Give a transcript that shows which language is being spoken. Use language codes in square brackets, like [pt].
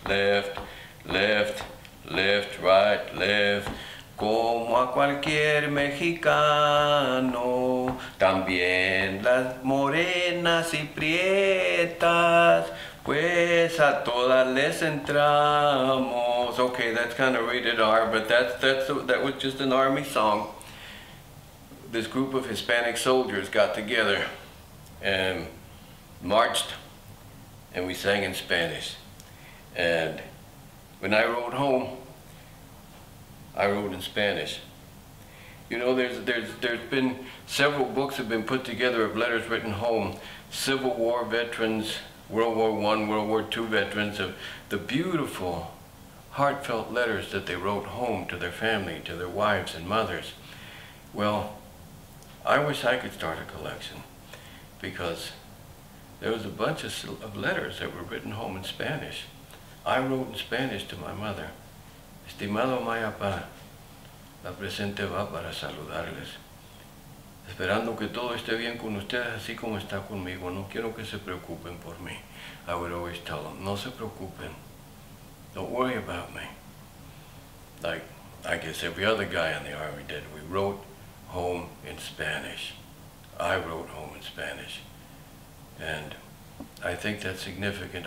[en] Left, left, left, right, left, [es] como a cualquier mexicano. También las morenas y prietas, pues a todas les entramos. [en] Okay, that's kind of rated R, but that was just an army song. This group of Hispanic soldiers got together and marched, and we sang in Spanish. And when I rode home, I wrote in Spanish. You know, there's been several books have been put together of letters written home, Civil War veterans, World War I, World War II veterans, of the beautiful, heartfelt letters that they wrote home to their family, to their wives and mothers. Well, I wish I could start a collection, because there was a bunch of letters that were written home in Spanish. I wrote in Spanish to my mother. [es] Estimado mi papá, la presente va para saludarles. Esperando que todo esté bien con ustedes, así como está conmigo. No quiero que se preocupen por mí. [en] I would always tell them, [es] no se preocupen. [en] Don't worry about me. Like, I guess every other guy in the Army did. We wrote home in Spanish. I wrote home in Spanish. And I think that's significant.